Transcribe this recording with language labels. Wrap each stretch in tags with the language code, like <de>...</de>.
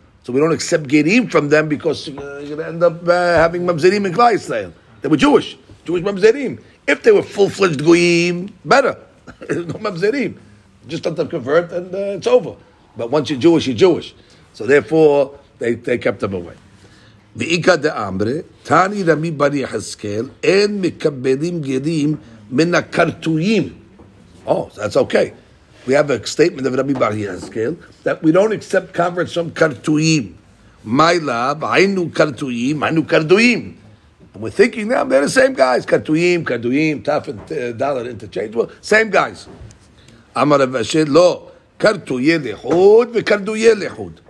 <en>So we don't accept gerim from them because you're going to end up having mamzerim in Klal Yisrael. They were Jewish mamzerim. If they were full-fledged goyim, better. No mamzerim. Just let them convert and it's over. But once you're Jewish, you're Jewish. So therefore, they kept them away.</en> <arc>ועיקה דאמרי, תני רמי בר יחזקאל, אין מקבלים גרים מן הקרטויים.</arc> <en>Oh, that's okay. We have a statement of רמי בר יחזקאל that we don't accept converts from קרטויים.</en> <arc>מי לאו, היינו קרטויים, היינו קרדויים.</arc> <en>And we're thinking now, they're the same guys. קרטויים, קרדויים, tough and dollar interchangeable, same guys.</en> <arc>אמר רב אשר, לא, קרטויי לחוד וקרדויי לחוד.</arc>